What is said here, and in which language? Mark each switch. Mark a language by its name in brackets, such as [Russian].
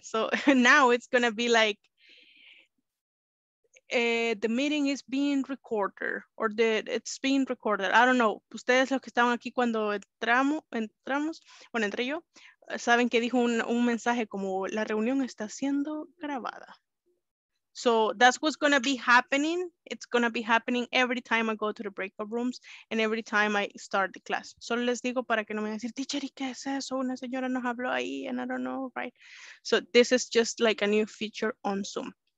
[English] So now it's going to be like, the meeting is being recorded, or it's being recorded, I don't know. [Spanish] Ustedes los que estaban aquí cuando entré yo, saben que dijo un mensaje como, la reunión está siendo grabada. [English] So that's what's going to be happening. It's going to be happening every time I go to the breakout rooms and every time I start the class. [Spanish] Solo les digo para que no me vayan a decir, teacher, ¿y qué es eso? Una señora nos habló ahí [English] and I don't know, right? So this is just like a new feature on Zoom.